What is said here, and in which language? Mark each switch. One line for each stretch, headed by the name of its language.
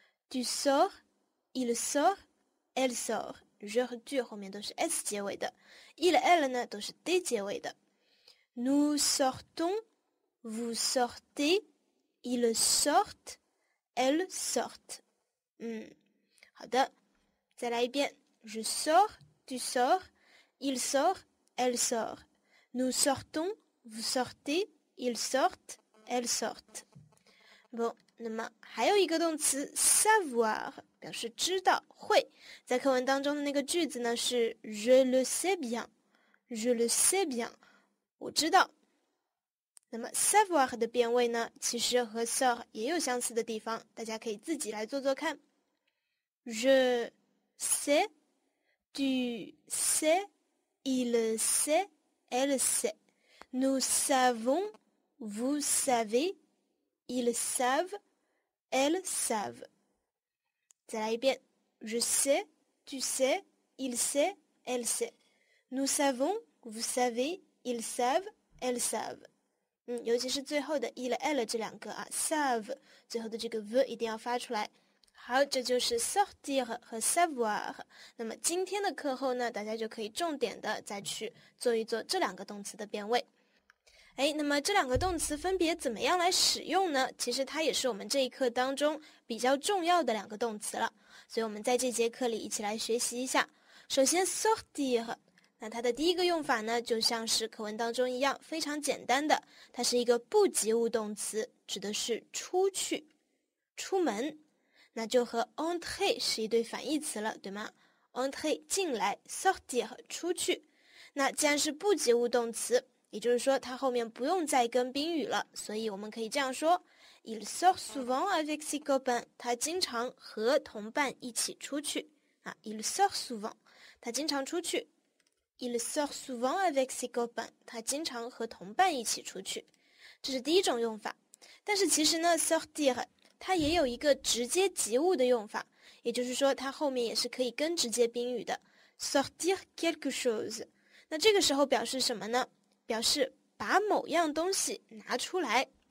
French: tu sors, il sort, elle sort, je 和 tu
Chinese: 后面都是
French: s
Chinese: 结尾的，
French: il elle
Chinese: 呢都是
French: d 结尾的， nous sortons, vous sortez, il sort,Elle sort.
Chinese: 好的，再来一遍。
French: Je sors, tu sors, il sort, elle sort. Nous sortons, vous sortez, ils sortent, elles sortent.
Chinese: Bon, 那么还有一个动词 savoir 表示知道会，在课文当中的那个句子呢是
French: Je le sais bien, je le sais bien.
Chinese: 我知道。那么 savoir 的变位呢，其实和 sort 也有相似的地方，大家可以自己来做做看。
French: Je sais, tu sais, il sait, elle sait. Nous savons, vous savez, ils savent, elles savent.
Chinese: 再来一遍。
French: Je sais, tu sais, il sait, elle sait. Nous savons, vous savez, ils savent, elles savent.
Chinese: 尤其是最后的 il l 这两个啊 ，save 最后的这个 v 一定要发出来。好，这就是 sortir 和 savoir。那么今天的课后呢，大家就可以重点的再去做一做这两个动词的变位。哎，那么这两个动词分别怎么样来使用呢？其实它也是我们这一课当中比较重要的两个动词了，所以我们在这节课里一起来学习一下。首先 sortir。那它的第一个用法呢，就像是课文当中一样，非常简单的，它是一个不及物动词，指的是出去、出门，那就和 entrer 是一对反义词了，对吗？ entrer 进来， sortir 出去，那既然是不及物动词，也就是说它后面不用再跟宾语了，所以我们可以这样说，
French: il sort souvent avec ses copains，
Chinese: 他经常和同伴一起出去啊，
French: il sort souvent，
Chinese: 他经常出去。
French: Il sort souvent avec ses copains.
Chinese: 他经常和同伴一起出去。这是第一种用法。但是其实呢 ,sortir, 它也有一个直接及物的用法。也就是说它后面也是可以跟直接宾语的。
French: Sortir quelque chose.
Chinese: 那这个时候表示什么呢？表示把某样东西拿出来。